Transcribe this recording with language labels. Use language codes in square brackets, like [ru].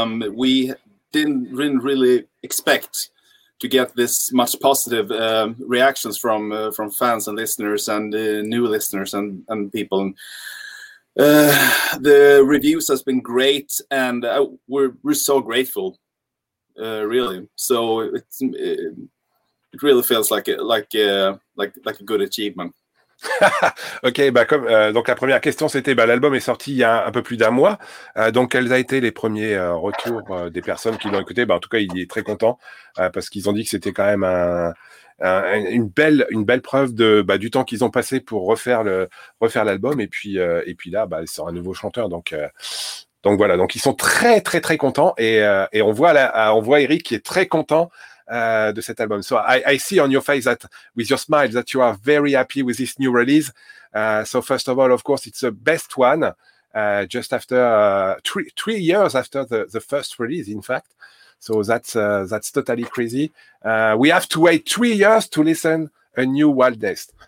[en] We didn't really expect to get this much positive reactions from fans and listeners and new listeners and people. The reviews has been great, and we're so grateful, really. So it really feels like a good achievement. [fr] Ok, donc la première question c'était, l'album est sorti il y a un peu plus d'un mois, donc quels ont été les premiers retours des personnes qui l'ont écouté? En tout cas, il est très content parce qu'ils ont dit que c'était quand même une belle preuve de du temps qu'ils ont passé pour refaire l'album, et puis là il sort un nouveau chanteur, donc voilà, donc ils sont très très très contents, et on voit Eric qui est très content de cet album. [en] So I see on your face, that with your smile, that you are very happy with this new release. So first of all, of course, it's the best one, just after three years after the first release, in fact. So that's totally crazy. We have to wait 3 years to listen a new Wildness.